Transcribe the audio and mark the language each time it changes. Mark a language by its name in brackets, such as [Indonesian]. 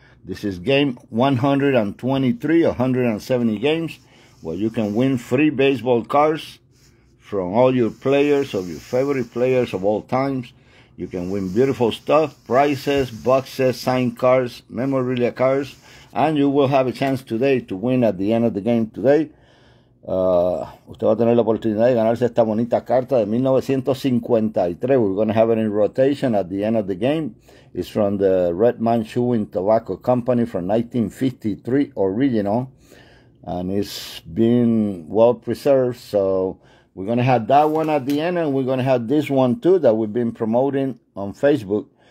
[English] This is game 123, 170 games, where you can win free baseball cards from all your players, of your favorite players of all times. You can win beautiful stuff, prizes, boxes, signed cards, memorabilia cards, and you will have a chance today to win at the end of the game today. [Spanish] Usted va a tener la oportunidad de ganarse esta bonita carta de 1953. [English] We're going to have it in rotation at the end of the game. It's from the Red Man Chewing Tobacco Company from 1953 original. And it's been well preserved. So we're going to have that one at the end. And we're going to have this one too that we've been promoting on Facebook.